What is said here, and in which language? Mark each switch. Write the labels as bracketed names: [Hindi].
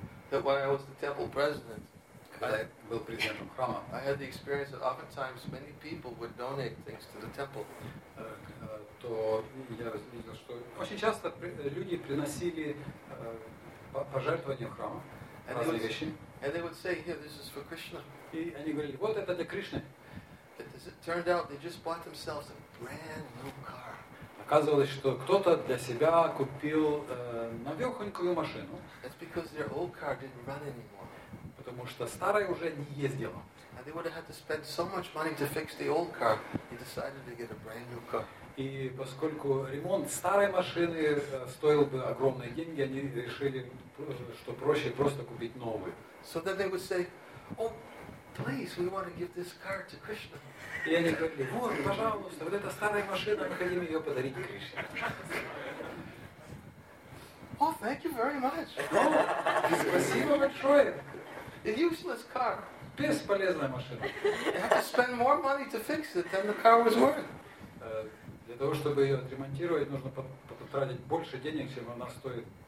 [English] That when I was the temple president, I had the experience that oftentimes many people would donate things to the temple. [Russian] То я видел, что очень часто люди приносили пожертвования в храм. [English] And they would say, "Here, this is for Krishna." [Russian] И они говорили, вот это для Кришны. [English] It turned out they just bought themselves a brand new car. [Russian] Оказывалось, что кто-то для себя купил новёхонькую машину. [English] That's because their old car didn't run anymore. [Russian] Потому что старая уже не ездила. [English] And they would have had to spend so much money to fix the old car. They decided to get a brand new car. [Russian] И поскольку ремонт старой машины стоил бы огромные деньги, они решили, что проще просто купить новую. [English] So then they would say, "Oh, please, we want to give this car to Krishna." [Russian] И они говорили, вот, пожалуйста, вот эта старая машина, мы хотим ее подарить Кришне. [English] Oh, thank you very much. [Russian] Спасибо большое. [English] A useless car. [Russian] Бесполезная машина. [English] You have to spend more money to fix it than the car was worth. [Russian] Для того, чтобы ее отремонтировать, нужно потратить больше денег, чем она стоит.